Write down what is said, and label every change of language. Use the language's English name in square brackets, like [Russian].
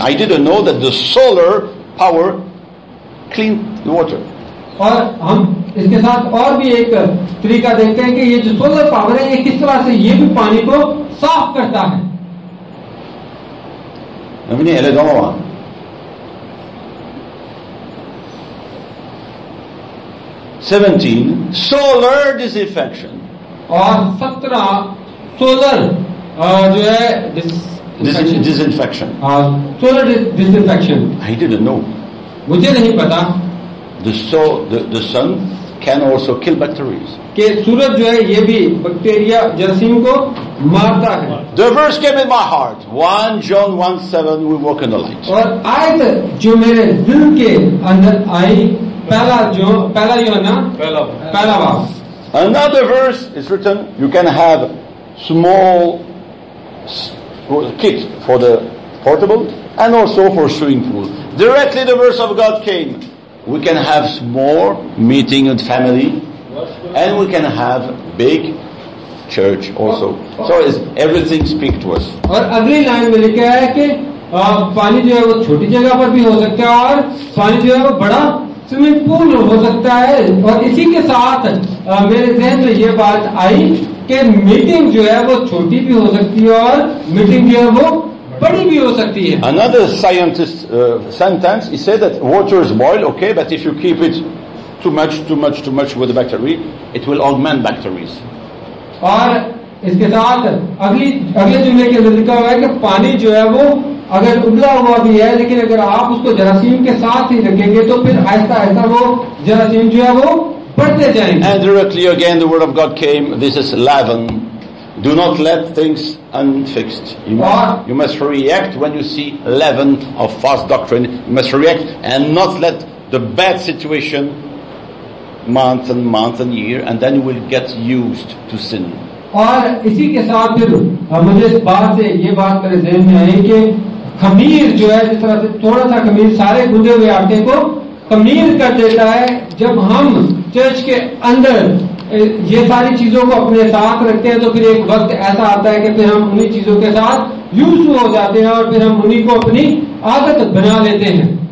[English] I didn't know that the solar power clean the water. [Hindi] और हम इसके साथ और भी एक तरीका देखते हैं कि ये जो सोलर पावर है ये किस तरह से ये भी पानी को साफ करता है. आमीन. ये लेकर आओ. [English] Solar disinfection. [Hindi] और 17 सोलर जो है [English] Disinfection. Solar disinfection. I didn't know. [Hindi] मुझे नहीं पता. [English] The sun can also kill bacterias. [Hindi] के सूरज जो है ये भी बैक्टीरिया जर्सीम को मारता है. [English] The verse came in my heart 1 John 1:7 we walk in the light. [Hindi] और आयत जो मेरे दिल के अंदर आई पहला जो पहला यूहन्ना पहला पहला वाक्य [English] Another verse is written, you can have small kit for the portable and also for swimming pool. Directly the verse of God came. We can have small meeting with family and we can have big church also. So is everything speak to us. [Hindi] और अगली line में लिखा है कि पानी जो है वो छोटी जगह पर भी हो सकता है और पानी जो है वो बड़ा स्विमिंग पूल हो सकता है. और इसी के साथ मेरे जहन में ये बात आई कि मीटिंग जो है वो छोटी भी हो सकती है और मीटिंग जो है वो बड़ी भी हो सकती है. [English] Another scientist sentence, he said that water is boil, okay, but if you keep it too much with the bacteria, it will augment bacteria. [Hindi] और इसके साथ अगले जुमले के अंदर लिखा हुआ है कि पानी जो है वो अगर उबला हुआ भी है लेकिन अगर आप उसको जरासीम के साथ ही रखेंगे तो फिर आहिस्ता आहिस्ता वो जरासीम जो है वो बढ़ते जाएंगे. [English] And directly again the word of God came, this is leaven, do not let things unfixed. You must react when you see leaven of false doctrine. You must react and not let the bad situation month and month and year, and then you will get used to sin. [Hindi] और इसी के साथ फिर मुझे इस बात से ये बात मेरे जहन में आई कि खमीर जो है जिस तरह से थोड़ा सा खमीर सारे गुंधे हुए आटे को खमीर कर देता है. जब हम चर्च के अंदर ये सारी चीजों को अपने साथ रखते हैं तो फिर एक वक्त ऐसा आता है कि फिर हम उन्हीं चीजों के साथ यूज हो जाते हैं और फिर हम उन्हीं को अपनी आदत बना लेते हैं.